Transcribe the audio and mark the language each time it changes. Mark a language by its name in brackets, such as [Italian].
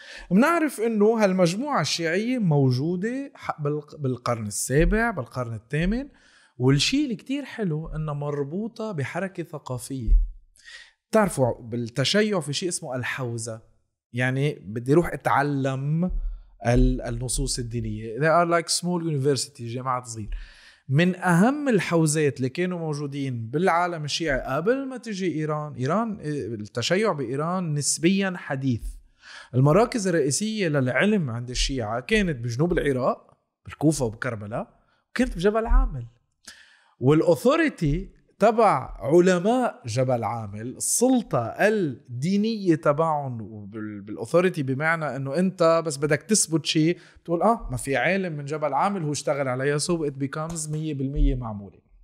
[Arabic] منعرف انه هالمجموعة الشيعية موجودة بالقرن السابع، بالقرن الثامن، والشيء اللي كتير حلو انه مربوطة بحركة ثقافية. تعرفوا بالتشيع في شيء اسمه الحوزة، يعني بدي روح اتعلم النصوص الدينية. [English] They are like small university، [Arabic] جامعات صغيرة. من اهم الحوزات اللي كانوا موجودين بالعالم الشيعي قبل ما تجي ايران، ايران التشيع بايران نسبيا حديث. المراكز الرئيسية للعلم عند الشيعة كانت بجنوب العراق بالكوفة وبكربلاء، وكانت بجبل عامل، والأثوريتي تبع علماء جبل عامل، السلطة الدينية تبعهم وبالأثوريتي بمعنى أنه أنت بس بدك تثبت شيء تقول آه ما في عالم من جبل عامل هو اشتغل على يسوب، [English] it becomes 100% [Arabic] معمولة.